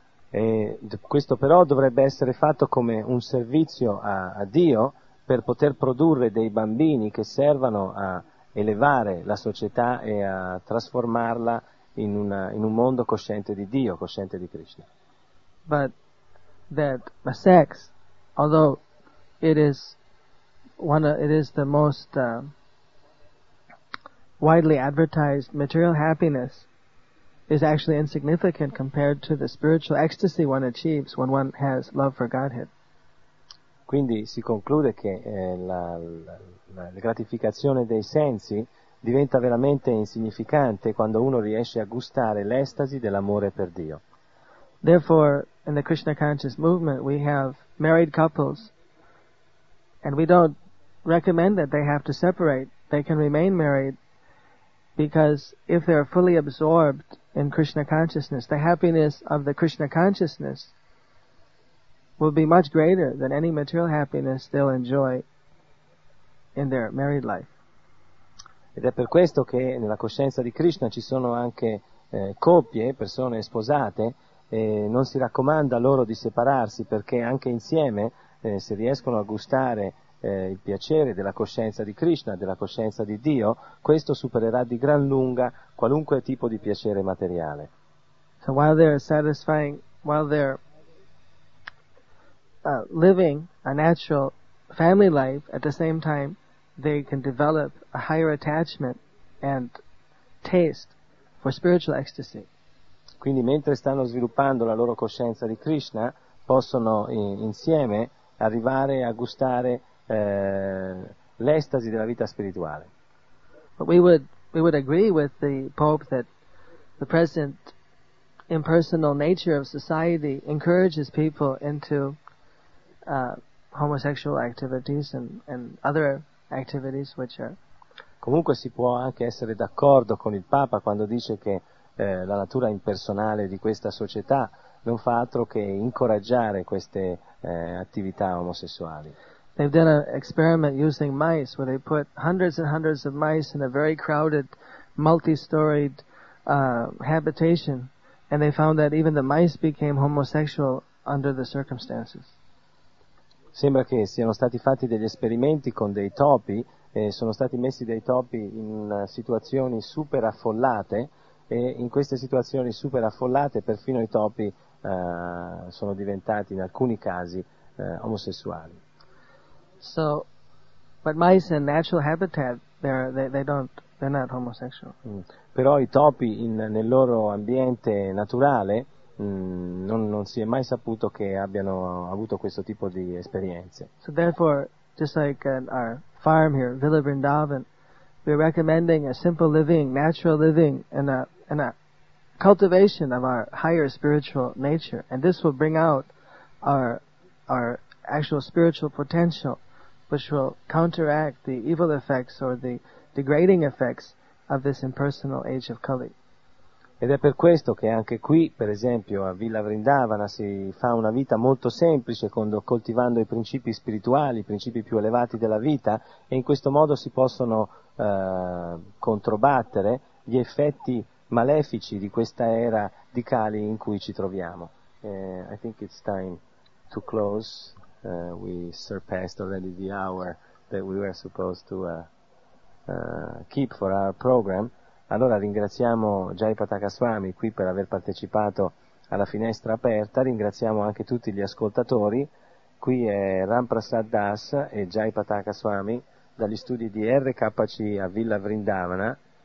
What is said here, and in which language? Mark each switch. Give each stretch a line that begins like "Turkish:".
Italian: E questo però dovrebbe essere fatto come un servizio a Dio per poter produrre dei bambini che servano a elevare la società e a trasformarla in un mondo cosciente di Dio, cosciente di Krishna.
English: But that sex, although it is the most widely advertised material happiness, is actually insignificant compared to the spiritual ecstasy one achieves when one has love for Godhead.
Italian: Quindi si conclude che la gratificazione dei sensi diventa veramente insignificante quando uno riesce a gustare l'estasi dell'amore per Dio.
English: Therefore, in the Krishna conscious movement, we have married couples, and we don't recommend that they have to separate. They can remain married, because if they are fully absorbed in Krishna consciousness, the happiness of the Krishna consciousness will be much greater than any material happiness they'll enjoy in their married life.
Italian: Ed è per questo che nella coscienza di Krishna ci sono anche coppie, persone sposate, e non si raccomanda loro di separarsi, perché anche insieme, se riescono a gustare il piacere della coscienza di Krishna, della coscienza di Dio, questo supererà di gran lunga qualunque tipo di piacere materiale.
English: So while they're satisfying, while they're living a natural family life, at the same time they can develop a higher attachment and taste for spiritual ecstasy.
Italian: Quindi mentre stanno sviluppando la loro coscienza di Krishna, possono insieme arrivare a gustare l'estasi della vita spirituale.
English: But we would agree with the Pope that the present impersonal nature of society encourages people into homosexual activities and other activities which are...
Italian: Comunque si può anche essere d'accordo con il Papa quando dice che la natura impersonale di questa società non fa altro che incoraggiare queste attività omosessuali.
English: They've done an experiment using mice where they put hundreds and hundreds of mice in a very crowded multi-storied habitation, and they found that even the mice became homosexual under the circumstances.
Italian: Sembra che siano stati fatti degli esperimenti con dei topi, sono stati messi dei topi in situazioni super affollate, e in queste situazioni super affollate perfino i topi sono diventati in alcuni casi omosessuali.
English: So But mice in natural habitat, they're not homosexual. Mm.
Italian: Però i topi nel loro ambiente naturale non si è mai saputo che abbiano avuto questo tipo di esperienze.
English: So therefore, just like at our farm here, Villa Vrindavan, we're recommending a simple living, natural living, and a cultivation of our higher spiritual nature, and this will bring out our actual spiritual potential, which will counteract the evil effects or the degrading effects of this impersonal age of Kali.
Italian: Ed è per questo che anche qui, per esempio, a Villa Vrindavana si fa una vita molto semplice, coltivando i principi spirituali, i principi più elevati della vita, e in questo modo si possono controbattere gli effetti malefici di questa era di Kali in cui ci troviamo.
English: I think it's time to close. We surpassed already the hour that we were supposed to keep for our program.
Italian: Allora ringraziamo Jai Patakaswami qui per aver partecipato alla Finestra Aperta, ringraziamo anche tutti gli ascoltatori, qui è Ramprasad Das e Jai Patakaswami dagli studi di RKC a Villa Vrindavana.